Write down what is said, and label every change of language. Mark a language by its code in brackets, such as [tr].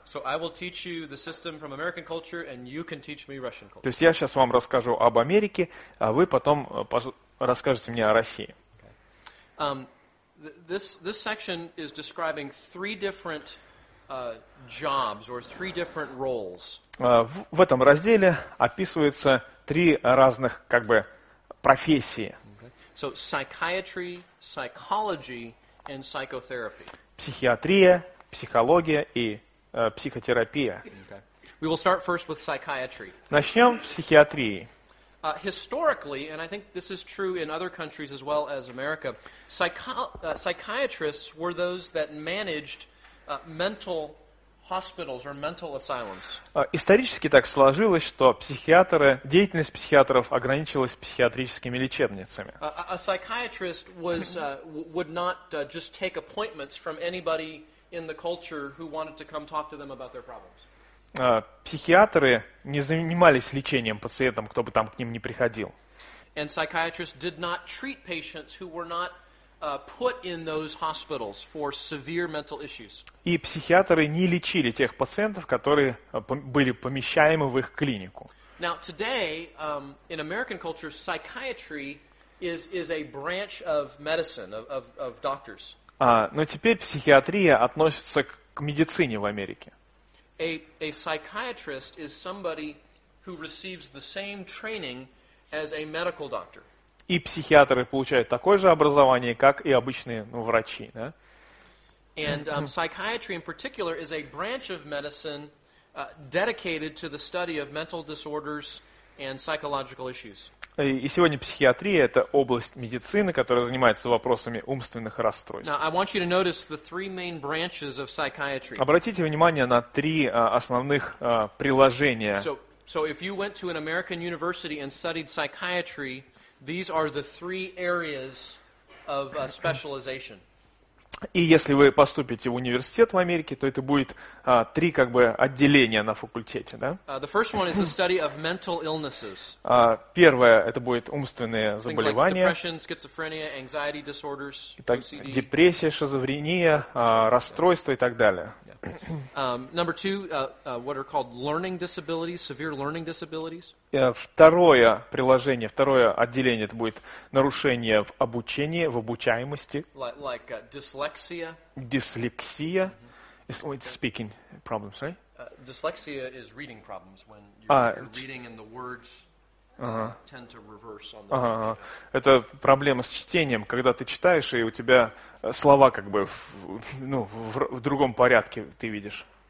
[en] So I will teach you the system from American culture, and you can teach me Russian culture. [ru] То есть я сейчас вам расскажу об Америке, а вы потом расскажете мне о России. [en] This section is describing three different jobs or three different roles. [ru] В этом разделе описываются три разных как бы профессии. [en] So psychiatry, psychology, and psychotherapy. [ru] Психиатрия, психология и психотерапия. [en] Okay. We will start first with psychiatry. [ru] Начнем с психиатрии. [en] Historically, and I think this is true in other countries as well as America, psychiatrists were those that managed mental hospitals or mental asylums. [ru] Исторически так сложилось, что психиатры, деятельность психиатров ограничивалась психиатрическими лечебницами. [en] A psychiatrist would not just take appointments from anybody in the culture who wanted to come talk to them about their problems. [ru] психиатры не занимались лечением пациентам, кто бы там к ним ни приходил. [en] And psychiatrists did not treat patients who were not put in those hospitals for severe mental issues. [ru] И психиатры не лечили тех пациентов, которые были помещаемы в их клинику. [en] Now today, in American culture, psychiatry is a branch of medicine of doctors. [ru] Но теперь психиатрия относится к медицине в Америке. [en] A psychiatrist is somebody who receives the same training as a medical doctor. [ru] И психиатры получают такое же образование, как и обычные, ну, врачи, да? [en] And psychiatry in particular is a branch of medicine dedicated to the study of mental disorders and psychological issues. [ru] И сегодня психиатрия — это область медицины, которая занимается вопросами умственных расстройств. [en] Now, I want you to notice the three main branches of psychiatry. [ru] Обратите внимание на три основных приложения. [en] So if you went to an American university and studied psychiatry, these are the three areas of specialization. [ru] И если вы поступите в университет в Америке, то это будет три как бы отделения на факультете, да? [en] The first one is the study of mental illnesses. [ru] Первое — это будет умственные заболевания. [en] Things like depression, schizophrenia, anxiety disorders, OCD. [ru] Итак, депрессия, шизофрения, расстройства и так далее. [en] Number two, what are called learning disabilities, severe learning disabilities. [ru] Второе приложение, второе отделение — это будет нарушение в обучении, в обучаемости. [en] Like dyslexia. [ru] Дислексия. [en] It's speaking problems, right? Dyslexia is reading problems when you're reading and the words tend to reverse on the page. [ru] Это проблема с чтением, когда ты читаешь, и у тебя слова как бы в другом порядке ты видишь.